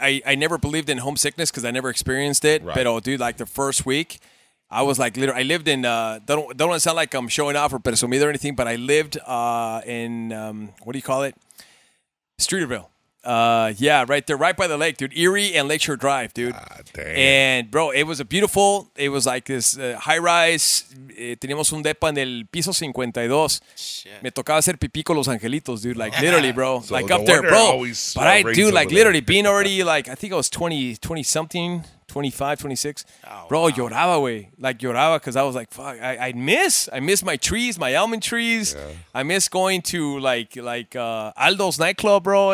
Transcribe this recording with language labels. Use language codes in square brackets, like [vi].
[en] I never believed in homesickness because I never experienced it. Right. But, dude, like the first week, I was like, literally, I lived in, don't want to sound like I'm showing off or presumido or anything, but I lived in, what do you call it? Streeterville. Yeah, right there, right by the lake, dude. Erie and Lakeshore Drive, dude. Ah, damn. And, bro, it was a beautiful, it was like this high-rise. [es] Teníamos un depa en el piso 52. Me tocaba hacer pipí con los angelitos, dude. [en] Like, literally, bro. So like, up there, bro. Always, but I do, like, literally, being already, like, I think I was 20-something, 25, 26. Oh, bro, wow. [es] Lloraba, güey. [en] Like, lloraba because I was like, fuck, I miss my trees, my almond trees. Yeah. I miss going to, like Aldo's nightclub, bro.